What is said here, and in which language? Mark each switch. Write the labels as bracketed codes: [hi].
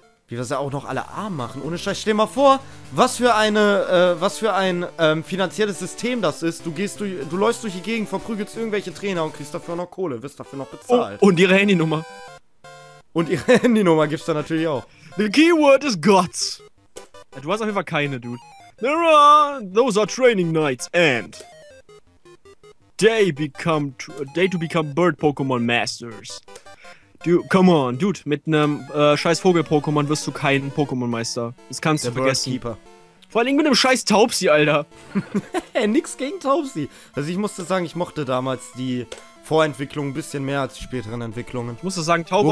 [de] Wie wir es ja auch noch alle arm machen. Ohne Scheiß, stell dir mal vor, was für ein finanzielles System das ist. Du läufst durch die Gegend, verprügelst irgendwelche Trainer und kriegst dafür noch Kohle, wirst dafür noch bezahlt. Oh, und ihre Handynummer. Und ihre Handynummer gibt's da natürlich auch. [en] The keyword is gods. [de] Ja, du hast auf jeden Fall keine, [en] dude. Those are training nights and day to become bird Pokémon masters. Dude, come on, dude, [de] mit einem scheiß Vogel-Pokémon wirst du keinen Pokémon-Meister. Das kannst du vergessen. Der Birdkeeper. Vor allem mit einem scheiß Taubsi, Alter. Nix gegen Taubsi. Also ich musste sagen, ich mochte damals die Vorentwicklung ein bisschen mehr als die späteren Entwicklungen. Ich musste sagen, Taubos...